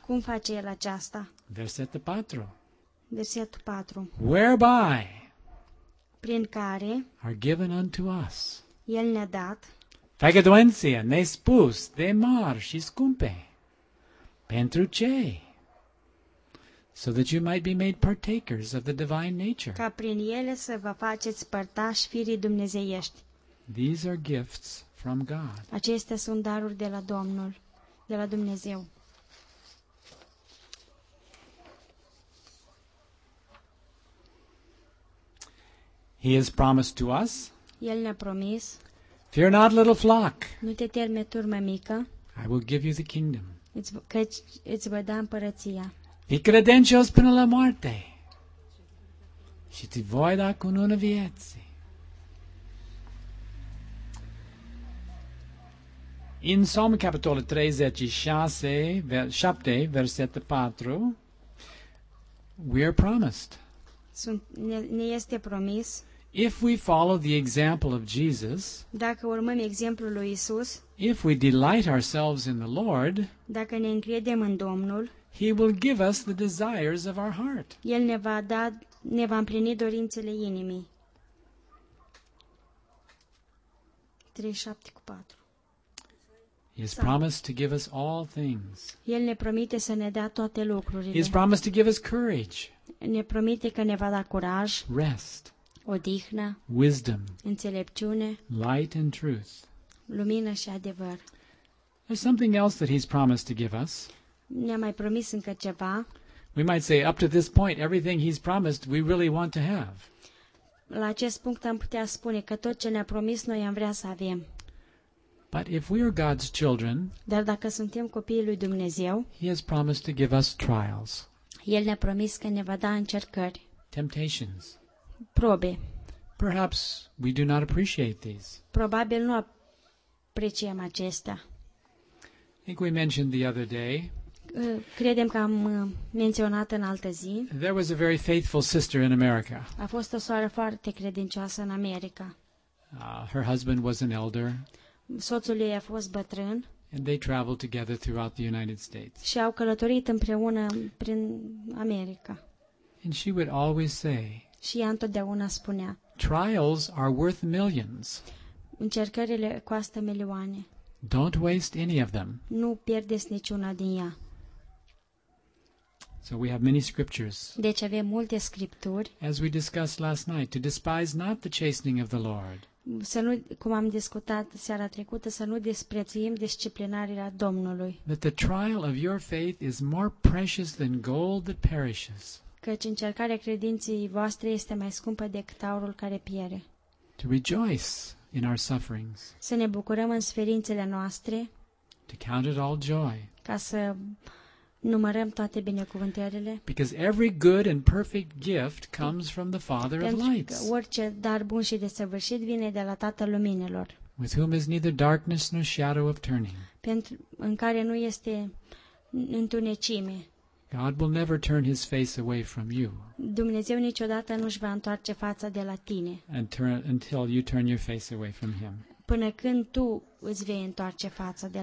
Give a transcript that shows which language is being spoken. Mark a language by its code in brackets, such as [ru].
[ro] Cum face el aceasta? Versetul 4. Versetul 4. [en] Whereby, [ro] prin care, [en] are given unto us, [ro] el ne-a dat, făgăduinția, nespus, de mari și scumpe, pentru ce? [en] So that you might be made partakers of the divine nature. [ro] Ca prin ele să vă faceți părtași firii dumnezeiești. [en] These are gifts from God. [ro] Acestea sunt daruri de la Domnul, de la Dumnezeu. [en] He has promised to us. [ro] El ne-a promis. [en] Fear not, little flock. [ro] Nu te teme, turmă mică. [en] I will give you the kingdom. [ro] Îți voi da împărăția. Fi credincios până la moarte. Și ți voi da cununa vieții. În Psalm capitolul 36, 7, versetul 4, [en] we are promised. [ro] Ne este promis. [en] If we follow the example of Jesus, [ro] dacă urmăm exemplul lui Isus, [en] if we delight ourselves in the Lord, [ro] dacă ne încredem în Domnul, [en] he will give us the desires of our heart. [ro] El ne va da, ne va împlini dorințele inimii. 3:7-4. [en] He has promised to give us all things. [ro] El ne promite să ne dea toate lucrurile. [en] He has promised to give us courage. [ro] Ne promite că ne va da curaj. [en] Rest. [ro] Odihnă, [en] wisdom, [ro] înțelepciune, [en] light and truth, [ro] lumină și adevăr. [en] There's something else that he's promised to give us. [ro] Ne-a mai promis încă ceva. [en] We might say up to this point everything he's promised we really want to have. [ro] La acest punct am putea spune că tot ce ne-a promis noi am vrea să avem. [en] But if we are God's children, [ro] dar dacă suntem copiii lui Dumnezeu, [en] he has promised to give us trials. [ro] El ne-a promis că ne va da încercări. [en] Temptations. [ro] Probe. [en] Perhaps we do not appreciate these. [ro] Probabil nu apreciem acestea. [en] I think we mentioned the other day. [ro] Credem că am menționat în altă zi. [en] There was a very faithful sister in America. [ro] A fost o soară foarte credincioasă în America. [en] Her husband was an elder. [ro] Soțul ei a fost bătrân. [en] And they traveled together throughout the United States. [ro] Și au călătorit împreună prin America. [en] And she would always say, [ro] și ea întotdeauna spunea, [en] trials are worth millions. [ro] Încercările costă milioane. [en] Don't waste any of them. [ro] Nu pierdeți niciuna din ea. [en] So we have many scriptures. [ro] Deci avem multe scripturi. [en] As we discussed last night, to despise not the chastening of the Lord. [ro] Să nu, cum am discutat seara trecută, să nu disprețuim disciplinarea Domnului. [en] That the trial of your faith is more precious than gold that perishes. [ro] Căci încercarea credinței voastre este mai scumpă decât aurul care piere. [en] To rejoice in our sufferings. [ro] Să ne bucurăm în suferințele noastre. [en] To count it all joy. [ro] Ca să numărăm toate binecuvântările. [en] Because every good and perfect gift comes from the Father of lights. [ro] Pentru că orice dar bun și desăvârșit vine de la Tatăl luminilor. [en] With whom is neither darkness nor shadow of turning. [ro] Pentru în care nu este întunecime. [en] God will never turn his face away from you. [ro] Dumnezeu niciodată nu își va întoarce fața de la tine. [en] Until you turn your face away from him. [ro] Până când tu îți vei întoarce fața de la